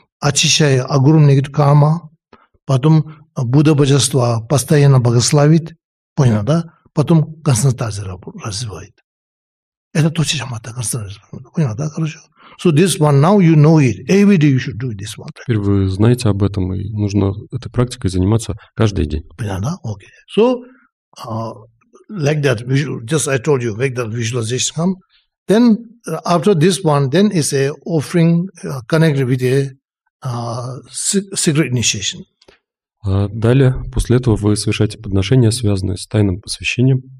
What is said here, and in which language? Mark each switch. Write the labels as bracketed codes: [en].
[ru] Очищая огромный карма, потом Будда божество постоянно благословит, понял, да? Потом концентрацию развивает. Это то, чем это концентрация. Понял, да, хорошо? [en] So this one, now you know it. Every day you should do this one. [ru] Теперь вы знаете об этом, и нужно этой практикой заниматься каждый день. Понял, да? [en] Okay. So, like that, just I told you, make that visualization come. Then, after this one, then is a offering connected with a secret initiation. [ru] Далее, после этого вы совершаете подношение, связанное с тайным посвящением.